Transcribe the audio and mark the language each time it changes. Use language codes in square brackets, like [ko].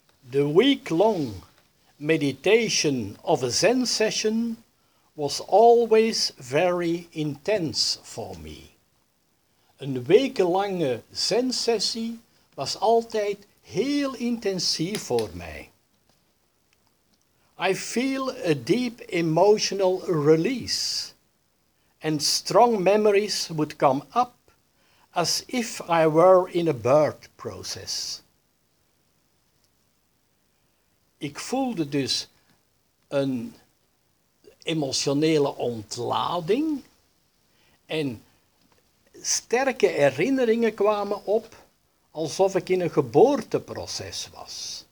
[en] The week-long meditation of a Zen session was always very intense for me. [nl] Een wekenlange Zen-sessie was altijd heel intensief voor mij. [en] I feel a deep emotional release and strong memories would come up as if I were in a birth process. [nl] Ik voelde dus een emotionele ontlading en sterke herinneringen kwamen op alsof ik in een geboorteproces was.